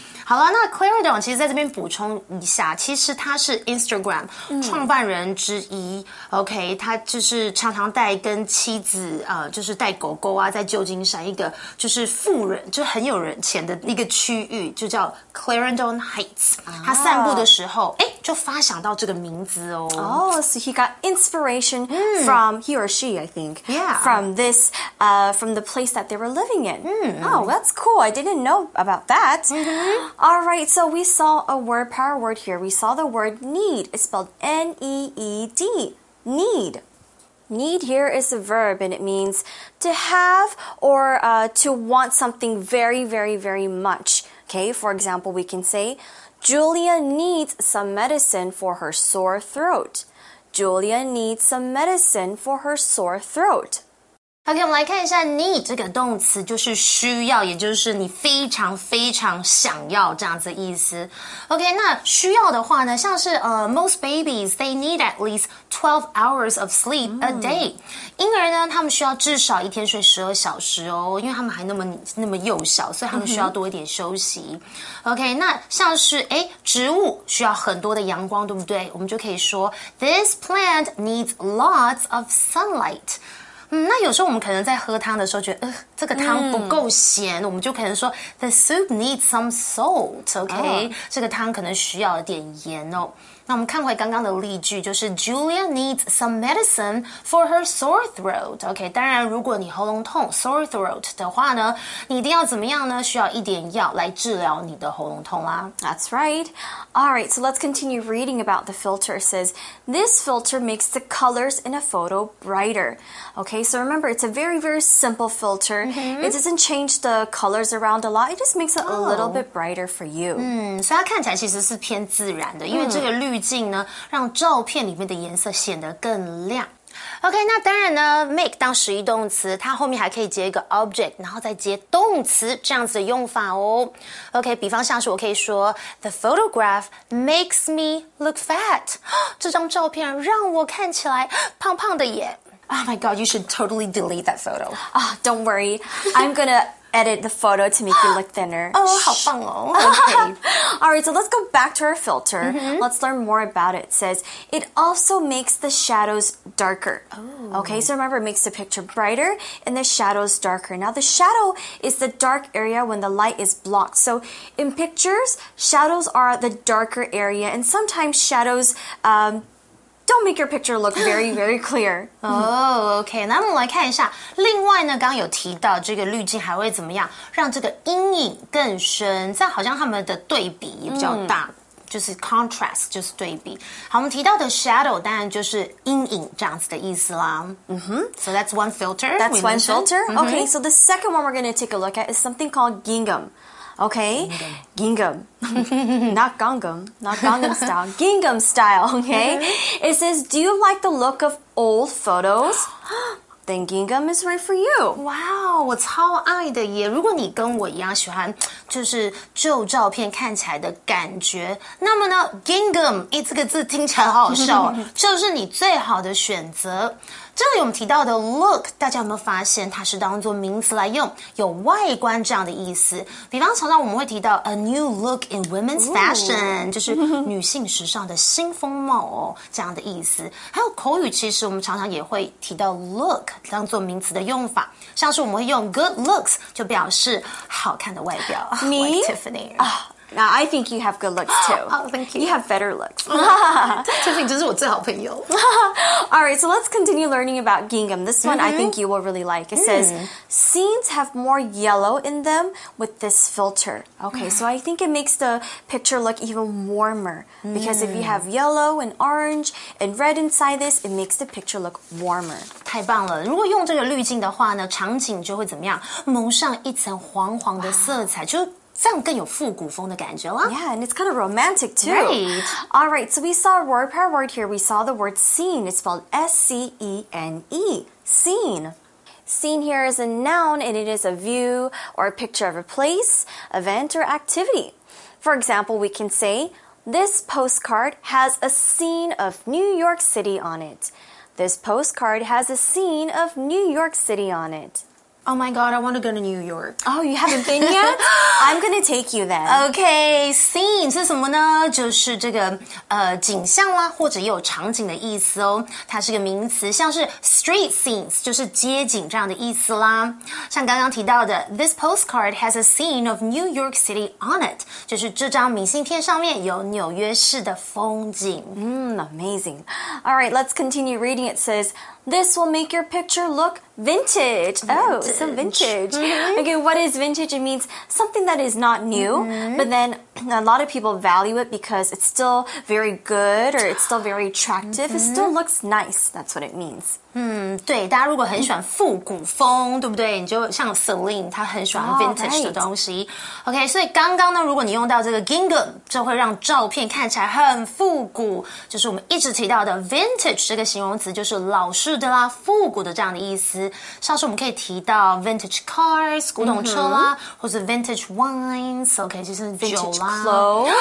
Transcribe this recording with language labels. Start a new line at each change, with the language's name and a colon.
Chinese: 好了，那 Clarendon 其实在这边补充一下，其实他是 Instagram 创办人之一。 OK， 他就是常常带跟妻子就是带狗狗啊，在旧金山一个就是富人，就很有人钱的一个区域，就叫 Clarendon Heights。他散步的时候，哎，就发想到这个名字哦。
English: So he got inspiration from he or she, I think, from this from the place that they were living in. Oh, that's cool. I didn't know about that. Alright, so we saw a word, power word here. We saw the word need. It's spelled N-E-E-D. Need. Need here is a verb and it means to have or to want something very, very, very much. Okay, for example, we can say, Julia needs some medicine for her sore throat. Julia needs some medicine for her sore throat.
Chinese: OK, 我们来看一下 need 这个动词就是需要，也就是你非常非常想要这样子的意思。
English: OK,
Chinese: 那需要的话呢，像是
English: most babies, they need at least 12 hours of sleep a day.
Chinese: 婴儿呢，他们需要至少一天睡12小时哦，因为他们还那么幼小，所以他们需要多一点休息。 OK, 那像是植物需要很多的阳光，对不对？我们就可以说
English: This plant needs lots of sunlight.
Chinese: 那有时候我们可能在喝汤的时候觉得这个汤不够咸我们就可能说
English: The soup needs some salt, OK?
Chinese: 这个汤可能需要点盐哦。那我们看回刚刚的例句就是
English: Julia needs some medicine for her sore throat, OK?
Chinese: 当然如果你喉咙痛 sore throat 的话呢你一定要怎么样呢需要一点药来治疗你的喉咙痛啦。
English: That's right. Alright, so let's continue reading about the filter. It says, this filter makes the colors in a photo brighter. OK, so remember, it's a very, very simple filter. It doesn't change the colors around a lot. It just makes it a little bit brighter for you.
Chinese: 所以它看起来其实是偏自然的，因为这个滤镜呢，让照片里面的颜色显得更亮。 OK, 那当然呢 make 当实义动词它后面还可以接一个 object, 然后再接动词这样子的用法哦。
English: OK,
Chinese: 比方像是我可以说
English: The photograph makes me look fat.
Chinese: 这张照片让我看起来胖胖的耶。
English: Oh my god, you should totally delete that photo. Oh, don't worry, I'm gonna edit the photo to make you look thinner.
Chinese: Oh, 好棒哦。
English: Okay. Alright, so let's go back to our filter. Let's learn more about it. It says, it also makes the shadows darker. Okay, so remember, it makes the picture brighter and the shadows darker. Now, the shadow is the dark area when the light is blocked. So, in pictures, shadows are the darker area and sometimes shadows... don't make your picture look very, very clear.
Chinese: OK, 那我们来看一下。另外呢，刚刚有提到这个滤镜还会怎么样，让这个阴影更深，这样好像他们的对比也比较大。就是 contrast 就是对比。好，我们提到的 shadow 当然就是阴影这样子的意思啦。嗯哼
English: ，so that's one filter. That's one filter.、Mm-hmm. Okay, so the second one we're going to take a look at is something called gingham. Okay, gingham, not gangnam, not gangnam style, gingham style. Okay,、mm-hmm. it says, do you like the look of old photos? Then gingham is right for you.
Chinese: Wow, 我超爱的耶！如果你跟我一样喜欢，就是旧照片看起来的感觉，那么呢 ，gingham， 哎，这个字听起来好好笑，就是你最好的选择。这里我们提到的 look， 大家有没有发现它是当作名词来用，有外观这样的意思。比方常常我们会提到
English: a new look in women's fashion，
Chinese: 就是女性时尚的新风貌哦，这样的意思。还有口语其实我们常常也会提到 look 当作名词的用法，像是我们会用 good looks 就表示好看的外表。
English: Me? Like Tiffany.、 Now, I think you have good looks, too. Oh, thank you. You have better looks.
Chinese: Tiffany 就是我最好朋友。
English: All right, so let's continue learning about gingham. This one,、mm-hmm. I think you will really like. It、mm. says, scenes have more yellow in them with this filter. Okay,、mm. so I think it makes the picture look even warmer. Because、mm. if you have yellow and orange and red inside this, it makes the picture look warmer.
Chinese: 太棒了。如果用这个滤镜的话呢，场景就会怎么样？蒙上一层黄黄的色彩、wow. 就这样更有复古风的感觉了。
English: Yeah, and it's kind of romantic too. Right. All right, so we saw a word pair word here. We saw the word scene. It's spelled S-C-E-N-E. Scene. Scene here is a noun, and it is a view or a picture of a place, event, or activity. For example, we can say, this postcard has a scene of New York City on it. This postcard has a scene of New York City on it. Oh my god, I want to go to New York. Oh, you haven't been yet? I'm gonna take you then.
Chinese: Okay, scene 是什么呢？就是这个景象啦，或者也有场景的意思哦。它是个名词，像是 street scenes 就是街景这样的意思啦。像刚刚提到的 ，
English: this postcard has a scene of New York City on it，
Chinese: 就是这张明信片上面有纽约市的风景。
English: Amazing. All right, let's continue reading. It says. This will make your picture look vintage. Vintage. Oh, so vintage.、 Mm-hmm. Okay, what is vintage? It means something that is not new,、mm-hmm. but then a lot of people value it because it's still very good or it's still very attractive.、Mm-hmm. It still looks nice. That's what it means.
Chinese: 对，大家如果很喜欢复古风，对不对？你就像 Celine， 她很喜欢 vintage 的东西。
English: Oh, right.
Chinese: OK， 所以刚刚呢，如果你用到这个 gingham， 就会让照片看起来很复古，就是我们一直提到的 vintage 这个形容词，就是老式的啦、复古的这样的意思。像是我们可以提到 vintage cars， 古董车啦， mm-hmm. 或是 vintage wines， OK， 就是酒啦